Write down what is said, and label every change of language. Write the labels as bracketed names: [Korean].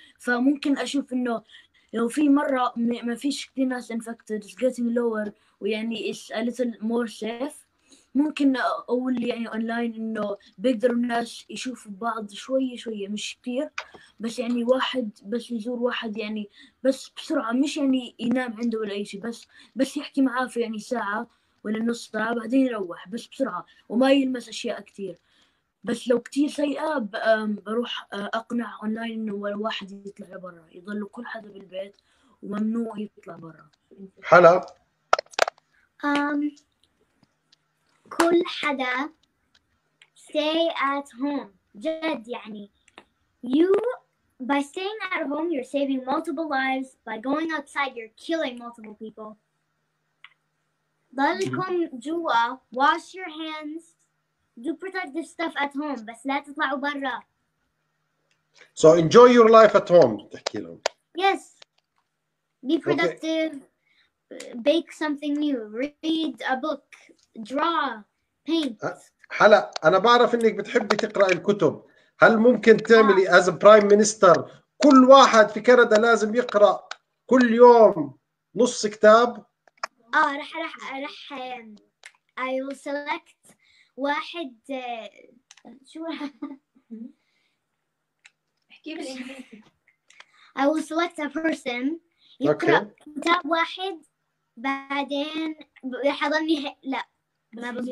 [Arabic] فممكن اشوف انه لو في مره ما فيش كثير ناس infected it's getting lower ويعني it's a little more safe ممكن اقول يعني اونلاين انه بيقدر الناس يشوفوا بعض شوي مش كثير بس يعني واحد بس يزور واحد يعني بس بسرعه مش يعني ينام عنده ولا اي شيء بس يحكي معاه في يعني ساعه ولا نص ساعه بعدين يروح بس بسرعه وما يلمس اشياء كثير. بس لو كثير سيئه بروح اقنع اونلاين انه ولا واحد يطلع برا يضل كل حدا بالبيت وممنوع يطلع برا. هلا [English] كل حدا stay at home جد يعني you by staying at home you're saving multiple lives by going outside you're killing multiple people. ضلكم جوا wash your hands do protective stuff at home بس لا تطلعوا برا. So enjoy your life at home تحكي لهم. Yes be productive okay. Bake something new read a book draw Paint. [Arabic] هلا انا بعرف انك بتحبي تقرأ الكتب، هل ممكن تعملي as a prime minister كل واحد في كندا لازم يقرأ كل يوم نص كتاب؟ [English] رح I will select واحد I will select a person يقرأ okay. [Arabic] كتاب واحد بعدين حضني لا ما